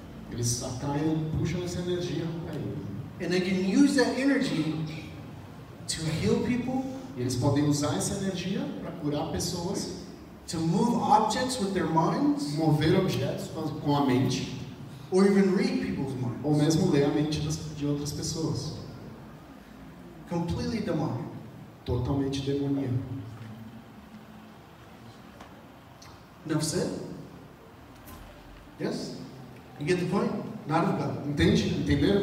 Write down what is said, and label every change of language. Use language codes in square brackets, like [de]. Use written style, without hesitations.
[pt] Eles atraem, puxam essa energia [en] aí. And they can use that energy to heal people. [pt] E eles podem usar essa energia para curar pessoas. [en] To move objects with their minds. [pt] Mover objetos com a mente. [en] Or even read people's minds. [pt] Ou mesmo ler a mente de outras pessoas. [en] Completely demonic. [pt] Totalmente demoníaco. [en] Enough said? Yes? You get the point? Not of God. [pt] Entende? Entendeu?